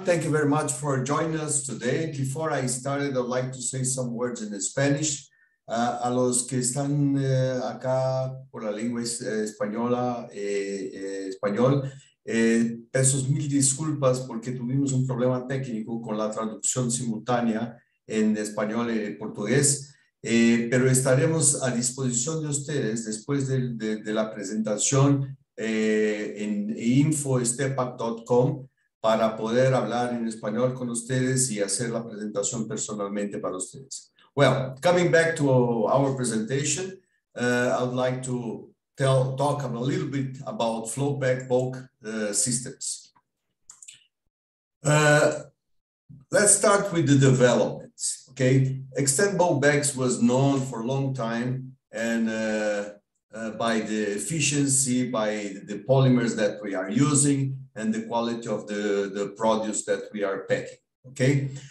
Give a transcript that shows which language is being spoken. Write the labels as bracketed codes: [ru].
[en] Thank you very much for joining us today. Before I started, I'd like to say some words in Spanish. [es] A los que están acá por la lengua española, español, Peço mil disculpas porque tuvimos un problema técnico con la traducción simultánea en español y portugués, pero estaremos a disposición de ustedes después de la presentación en info.stepac.com para poder hablar en español con ustedes y hacer la presentación personalmente para ustedes. [en] Well, coming back to our presentation, I would like to talk a little bit about flowback bulk systems. Let's start with the developments, okay? Extend bulk bags was known for a long time and by the efficiency, by the polymers that we are using and the quality of the produce that we are packing, okay?